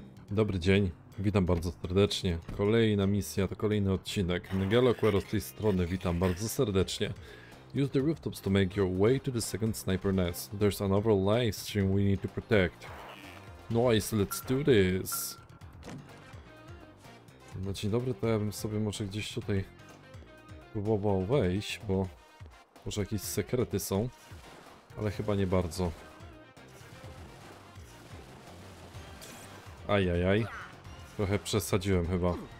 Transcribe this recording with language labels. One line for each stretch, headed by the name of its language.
Polish: Dobry dzień, witam bardzo serdecznie. Kolejna misja, to kolejny odcinek. Ngelo Quero z tej strony, witam bardzo serdecznie.
English: Use the rooftops to make your way to the second sniper nest. There's another live stream we need to protect. Nice, let's do this.
Polish: No dzień dobry, to ja bym sobie może gdzieś tutaj próbował wejść, bo może jakieś sekrety są, ale chyba nie bardzo. Ajajaj, trochę przesadziłem chyba.